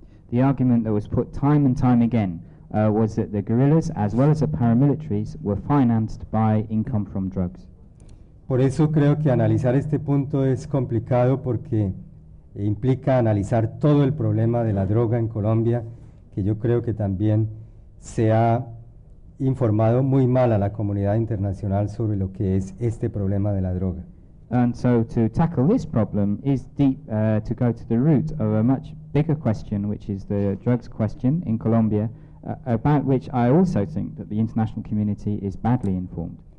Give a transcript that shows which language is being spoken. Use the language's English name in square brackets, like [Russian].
[English] The argument that was put time and time again was that the guerrillas as well as the paramilitaries were financed by income from drugs. [Spanish] Por eso creo que analizar este punto es complicado porque implica analizar todo el problema de la droga en Colombia, que yo creo que también se ha informado muy mal a la comunidad internacional sobre lo que es este problema de la droga. [English] And so to tackle this problem is deep, to go to the root of a much bigger question, which is the drugs question in Colombia, about which I also think that the international community is badly informed.